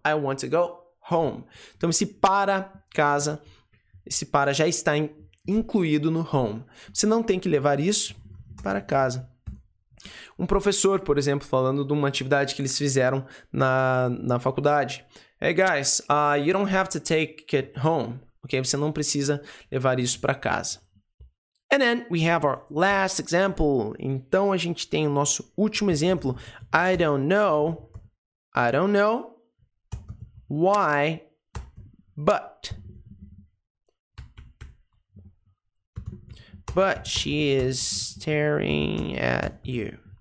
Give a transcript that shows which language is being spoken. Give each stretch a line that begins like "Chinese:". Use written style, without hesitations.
English: I want to go home.
Portuguese: Então, esse para casa, esse para já está incluído no home. Você não tem que levar isso para casa. Um professor, por exemplo, falando de uma atividade que eles fizeram na faculdade.
English: Hey guys, you don't have to take it home.
Portuguese: Okay? Você não precisa levar isso para casa.
English: And then we have our last example.
Portuguese: Então a gente tem o nosso último exemplo.
English: I don't know why, but she is staring at you.